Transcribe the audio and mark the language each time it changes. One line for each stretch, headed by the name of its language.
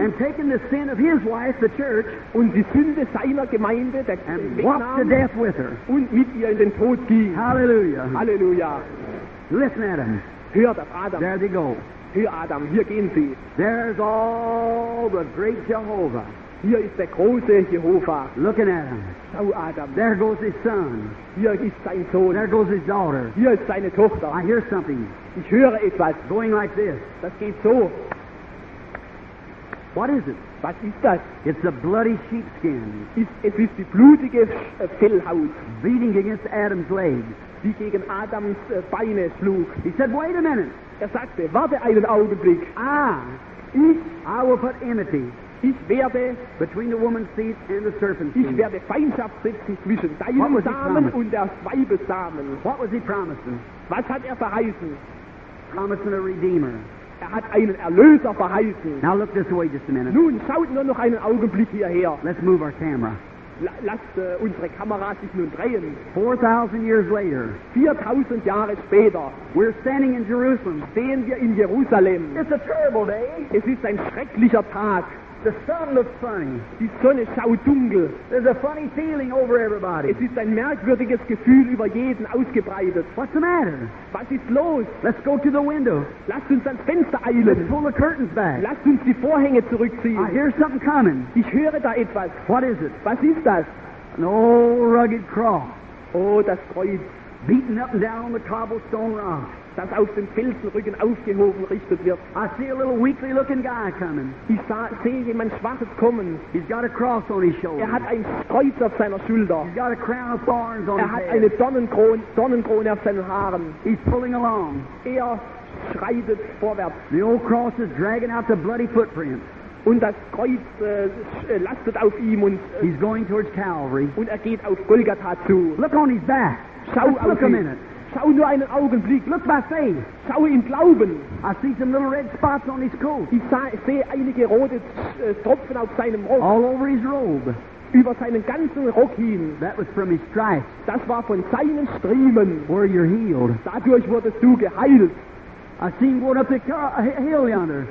English: and taking the sin of his wife, the church,
German: und die Sünde seiner Gemeinde, der
English: and walked to death with her,
German: und mit ihr in den Tod ging.
English: Hallelujah.
German: Hallelujah.
English: Listen, Adam.
German: Hör das, Adam.
English: There they go.
German: Hör, Adam, hier gehen sie.
English: There's all the great Jehovah.
German: Hier ist der große Jehovah.
English: Looking at him.
German: Schau, Adam.
English: There goes his son.
German: Hier ist sein Sohn.
English: There goes his daughter.
German: Hier ist seine Tochter.
English: I hear something.
German: Ich höre etwas.
English: Going like this.
German: Das geht so.
English: What is it?
German: Was ist das?
English: It's a bloody sheepskin.
German: Es ist die blutige Fellhaut.
English: Beating against Adam's legs.
German: Die gegen Adams Beine schlug.
English: He said, wait a minute.
German: Er sagte, warte einen Augenblick.
English: Ah, I will put enmity.
German: Ich werde
English: between the woman's seed and the serpent's seed.
German: Ich werde Feindschaft setzen zwischen deinem Samen und der Weibessamen.
English: What was he promising?
German: Was hat verheißen?
English: Promising a redeemer.
German: Hat einen Erlöser verheißen.
English: Now look this way just a minute.
German: Nun schaut nur noch einen Augenblick hierher.
English: Let's move our camera.
German: Lasst unsere Kamera sich nun drehen.
English: 4,000 years later.
German: 4,000 Jahre später.
English: We're standing in Jerusalem.
German: Stehen wir in Jerusalem.
English: It's a terrible day.
German: Es ist ein schrecklicher Tag.
English: The sun looks funny.
German: Die Sonne schaut dunkel.
English: There's a funny feeling over everybody.
German: Es ist ein merkwürdiges Gefühl über jeden ausgebreitet.
English: What's the matter?
German: Was ist los?
English: Let's go to the window.
German: Lasst uns ans Fenster eilen.
English: Let's pull the curtains back.
German: Lasst uns die Vorhänge zurückziehen.
English: I hear something coming.
German: Ich höre da etwas.
English: What is it?
German: Was ist das?
English: An old rugged cross.
German: Oh, das Kreuz.
English: Beaten up and down the cobblestone rock.
German: Das auf den Felsenrücken aufgehoben richtet wird.
English: I see a little weakly looking guy coming.
German: Ich sehe jemand Schwaches kommen.
English: He's got a cross on his shoulder.
German: Er hat ein Kreuz auf seiner Schulter.
English: He's got a crown of thorns on his head.
German: Er hat eine Dornenkrone auf seinen Haaren.
English: He's pulling along.
German: Er schreitet vorwärts.
English: The old cross is dragging out the bloody footprints.
German: Und das Kreuz lastet auf ihm und
English: he's going towards Calvary.
German: Und er geht auf Golgatha zu.
English: Look on his back.
German: Schau
English: Let's
German: auf
English: look
German: ihn.
English: A minute.
German: Schau nur einen Augenblick.
English: Look by faith.
German: Schau im Glauben.
English: I see some little red spots on his coat.
German: Ich sehe einige rote Tropfen auf seinem Rock.
English: All over his robe.
German: Über seinen ganzen Rock hin.
English: That was from his stripes.
German: Das war von seinen Striemen.
English: Where you're healed.
German: Dadurch wurdest du geheilt.
English: I see him going up the hill yonder.